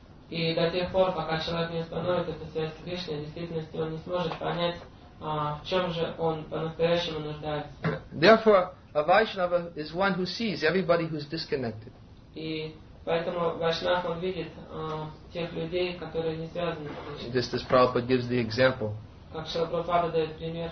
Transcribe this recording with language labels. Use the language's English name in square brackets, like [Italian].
[Russian] И до тех пор, пока человек не установит эту связь с Кришной, в действительности он не сможет понять, в чем же он по-настоящему нуждается. [English] Therefore, a Vaishnava is one who sees everybody who's disconnected. [Russian] И поэтому Вайшнав он видит тех людей, которые не связаны. [English] Just as Prabhupada gives the example. [Russian] Как Шрила Прабхупада дает пример.